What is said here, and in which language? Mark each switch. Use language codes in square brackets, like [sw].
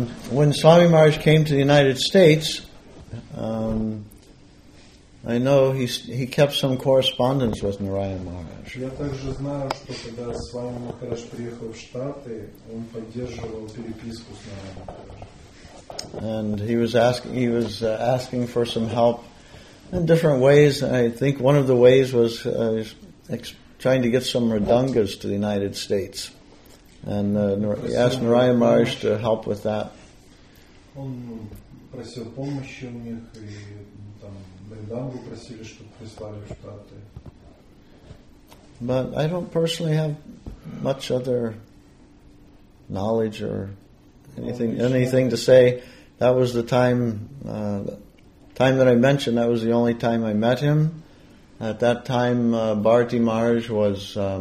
[en] When Swami Maharaj came to the United States, I know he kept some correspondence with Narayan Maharaj. [ru] Я также знаю, что когда Свами Махарадж приехал в Штаты, он поддерживал переписку с Нараян Махарадж. [en] And he was asking for some help in different ways. I think one of the ways was trying to get some Radungas to the United States. And he asked Narayan Maharaj to help with that. [ru] Он просил помощи у них, и там Радунгу просили, чтобы прислали в Штаты. [en] But I don't personally have much other knowledge or anything to say. That was the time that I mentioned. That was the only time I met him. At that time, Bharati Maharaj was...